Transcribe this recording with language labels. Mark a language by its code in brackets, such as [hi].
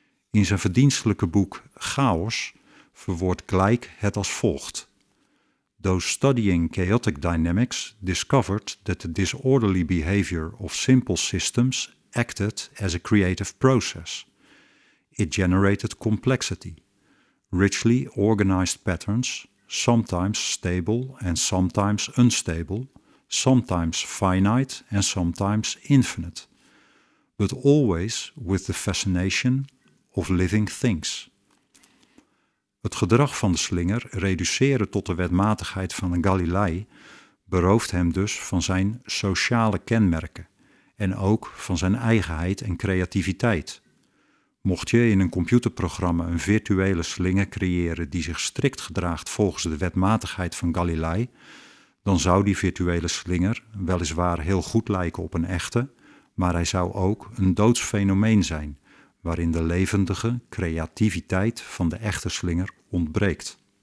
[nl] In zijn verdienstelijke boek Chaos verwoordt Gleick het als volgt: [en] "Though studying chaotic dynamics discovered that the disorderly behavior of simple systems acted as a creative process. It generated complexity, richly organized patterns, sometimes stable and sometimes unstable, sometimes finite and sometimes infinite, but always with the fascination of living things." [nl] Het gedrag van de slinger reduceren tot de wetmatigheid van Galilei berooft hem dus van zijn sociale kenmerken en ook van zijn eigenheid en creativiteit. Mocht je in een computerprogramma een virtuele slinger creëren die zich strikt gedraagt volgens de wetmatigheid van Galilei, dan zou die virtuele slinger weliswaar heel goed lijken op een echte, maar hij zou ook een doods fenomeen zijn, waarin de levendige creativiteit van de echte slinger ontbreekt.